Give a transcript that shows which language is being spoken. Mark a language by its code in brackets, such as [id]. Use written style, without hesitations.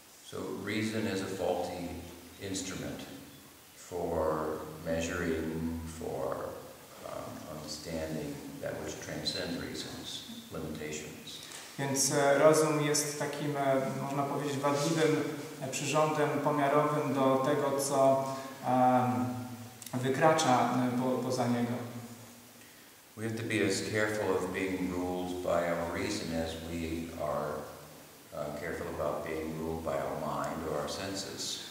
[en] So reason is a faulty instrument for measuring, for understanding that which transcends reason's limitations. [pl] Więc rozum jest takim, można powiedzieć, wadliwym przyrządem pomiarowym do tego, co wykracza poza niego. [en] We have to be as careful of being ruled by our reason as we are careful about being ruled by our mind or our senses.